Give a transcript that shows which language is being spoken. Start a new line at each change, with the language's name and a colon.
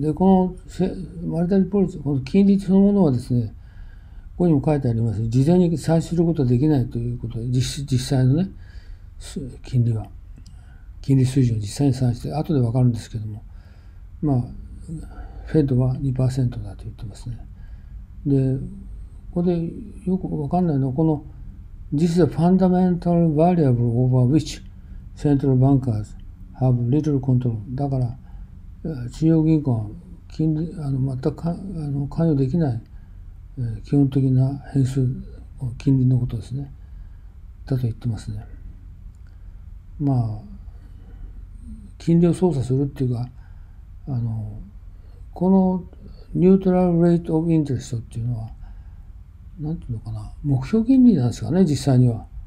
Japanese: でこのマネタリーポリシー、この金利そのものはですね、ここにも書いてあります、事前に算出することはできないということで、実際のね金利は金利水準を実際に算して後で分かるんですけども、まあフェッドは 2% だと言ってますね。で、ここでよくわかんないのは、この
English: This is a fundamental variable over which central bankers have little control。
Japanese: だから中央銀行は金利全く関与できない基本的な変数、金利のことですね、だと言ってますね。まあ金利を操作するっていうか、このニュートラルレートオブインテレストっていうのは、なんていうのかな、目標金利なんですかね、実際には。